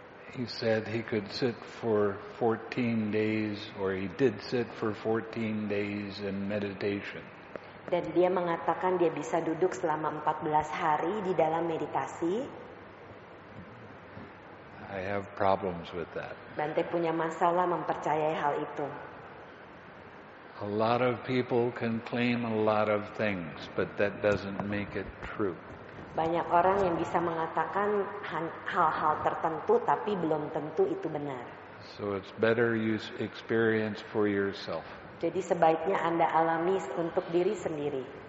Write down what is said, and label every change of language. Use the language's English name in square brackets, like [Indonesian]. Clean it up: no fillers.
[English] He said he could sit for 14 days, or he did sit for 14 days in meditation. [Indonesian] Dan dia mengatakan dia bisa duduk selama 14 hari di dalam meditasi. [English] I have problems with that. [Indonesian] Bante punya masalah mempercayai hal itu. [English] A lot of people can claim a lot of things, but that doesn't make it true. [Indonesian] Banyak orang yang bisa mengatakan hal-hal tertentu, tapi belum tentu itu benar. [English] So it's better you experience for yourself. [Indonesian] Jadi sebaiknya Anda alami untuk diri sendiri.